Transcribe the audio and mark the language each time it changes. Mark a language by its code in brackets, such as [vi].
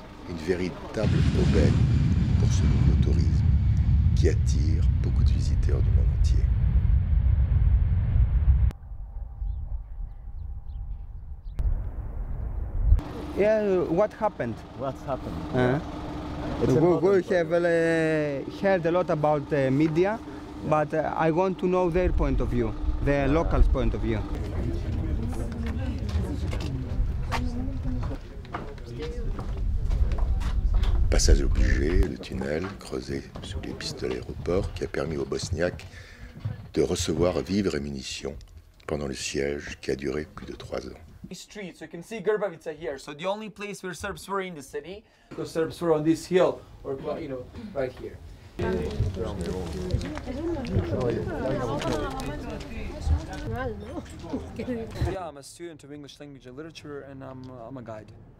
[fr] Une véritable aubaine pour ce nouveau tourisme qui attire beaucoup de visiteurs du monde entier. [en] What happened? We have heard a lot about the media, but I want to know their point of view, the locals' point of view. [fr] Passage obligé, le tunnel creusé sous les pistes de l'aéroport qui a permis aux Bosniaques de recevoir vivres et munitions pendant le siège qui a duré plus de 3 ans. [en] Street, so you can see Grbavica here. So the only place where Serbs were in the city. The Serbs were on this hill, or right here. Yeah, I'm a student of English language and literature, and I'm a guide.